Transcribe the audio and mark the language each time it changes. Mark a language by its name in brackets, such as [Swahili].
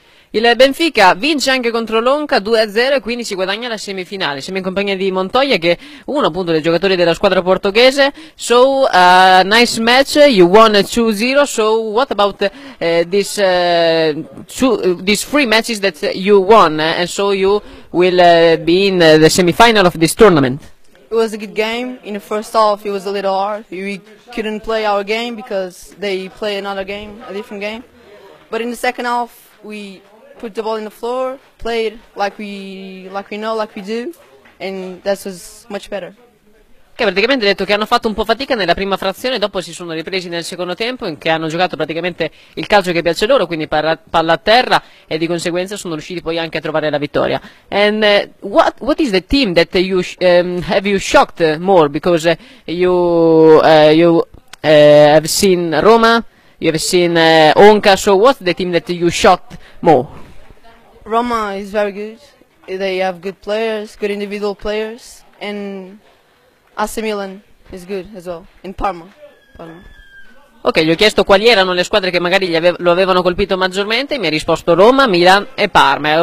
[Italian] Il Benfica vince anche contro l'Honka 2-0 e quindi si guadagna la semifinale. Siamo in compagnia di Montoia, che è uno appunto dei giocatori della squadra portoghese. [English] So, nice match, you won 2-0. So, what about these three matches that you won? And so you will be in the semifinal of this tournament. It was a good game. In the first half it was a little hard. We couldn't play our game because they play another game, a different game. But in the second half we put the ball in the floor, played like we do, and that was much better. [Italian] Che praticamente ha detto che hanno fatto un po' fatica nella prima frazione, dopo si sono ripresi nel secondo tempo, in che hanno giocato praticamente il calcio che piace loro, quindi palla a terra, e di conseguenza sono riusciti poi anche a trovare la vittoria. [English] And what is the team that you have you shocked more, because you have seen Roma, you have seen Honka, so what's the team that you shocked more? Roma is very good. They have good players, good individual players, and AC Milan is good as well, in Parma. [Italian] Ok, gli ho chiesto quali erano le squadre che magari lo avevano colpito maggiormente, mi ha risposto Roma, Milan e Parma.